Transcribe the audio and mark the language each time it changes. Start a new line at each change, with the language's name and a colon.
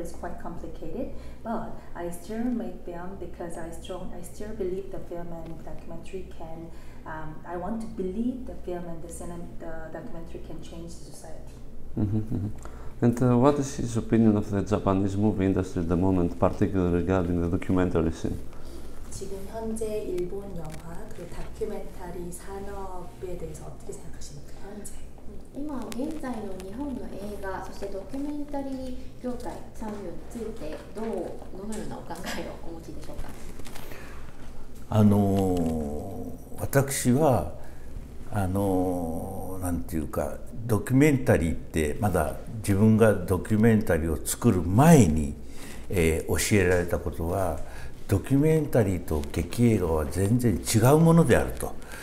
English: It's quite complicated. But I still make film because I still believe the film and documentary can, I want to believe the film and the documentary can change the society. And what is his opinion of the Japanese movie industry at the moment, particularly regarding the documentary scene?
Korean: 지금 현재 일본 영화 그리고 다큐멘터리 산업에 대해서 어떻게 생각하십니까? 현재
Japanese: 今現在の日本の映画そしてドキュメンタリー業界産業についてどのようなお考えをお持ちでしょうか。私はなんていうかドキュメンタリーってまだ自分がドキュメンタリーを作る前に、教えられたことはドキュメンタリーと劇映画は全然違うものであると。